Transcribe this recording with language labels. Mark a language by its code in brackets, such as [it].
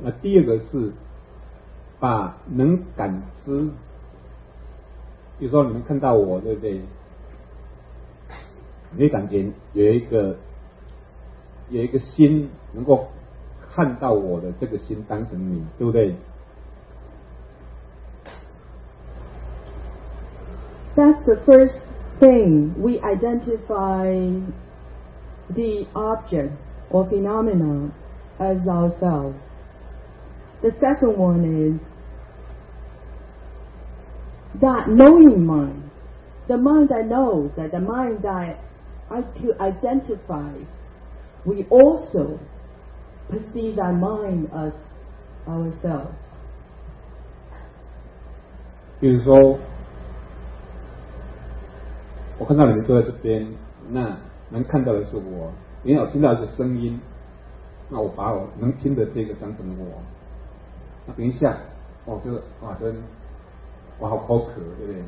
[zh] 那第二个是把能感知，比如说你们看到我，对不对？你感觉有一个心能够看到我的这个心当成你，对不对？ [en] That's the first thing we identify the object or phenomena as ourselves. The second one is that knowing mind, the mind that knows, that the mind thatI to identify, we also perceive our mind as ourselves. [zh] 比如说，我看到你们坐在这边，那能看到的是我；你有听到的声音，那我把我能听的这个当成我。那等一下，我就哇，真，我好口渴，对不对？